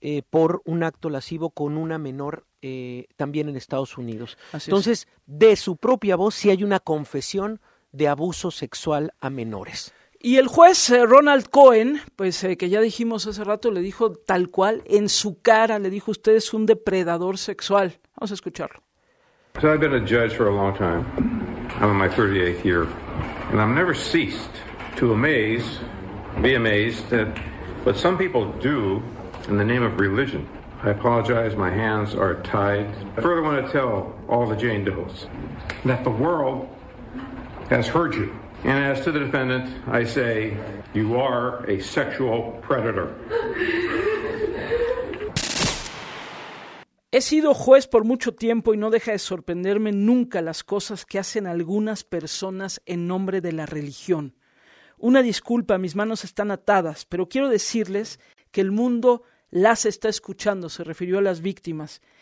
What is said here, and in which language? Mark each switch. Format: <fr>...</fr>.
<es>por un acto lascivo con una menor también en Estados Unidos. Así entonces, es. De su propia voz, sí hay una confesión de abuso sexual a menores. Y el juez Ronald Cohen, pues que ya dijimos hace rato, le dijo tal cual en su cara, le dijo, usted es un depredador sexual. Vamos a escucharlo.</es> <en>So I've been a judge for a long time. I'm in my 38th year. And I've never ceased to be amazed at what some people do in the name of religion. I apologize, my hands are tied. I further want to tell all the Jane Does that the world has heard you. And as to the defendant, I say, you are a sexual predator.</en> <es>He sido juez por mucho tiempo y no deja de sorprenderme nunca las cosas que hacen algunas personas en nombre de la religión. Una disculpa, mis manos están atadas, pero quiero decirles que el mundo las está escuchando, se refirió a las víctimas.</es>